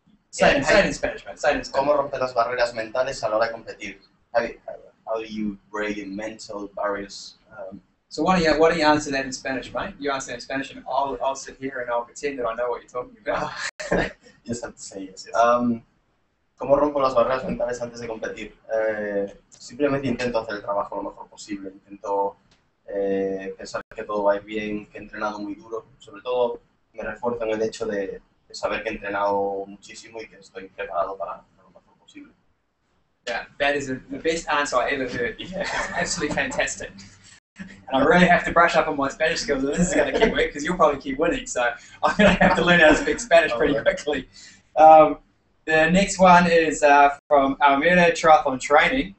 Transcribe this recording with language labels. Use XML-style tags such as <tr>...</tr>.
<en>Say it in Spanish, man. Say it in Spanish. How do you break your mental barriers? So why don't you answer that in Spanish, mate? You answer that in Spanish, and I'll sit here and I'll pretend that I know what you're talking about. You just have to say yes.</en> <es>¿Cómo rompo las barreras mentales antes de competir? Simplemente intento hacer el trabajo lo mejor posible. Intento pensar que todo va a ir bien, que he entrenado muy duro. Sobre todo me refuerzo en el hecho de saber que he entrenado muchísimo y que estoy preparado para lo mejor posible.</es> <en>Yeah, that is the best answer I ever heard. Yeah. It's absolutely fantastic. And I really have to brush up on my Spanish skills, and this is going to keep working because you'll probably keep winning, so I'm going to have to learn how to speak Spanish pretty quickly. The next one is from Almeida Triathlon Training.</en>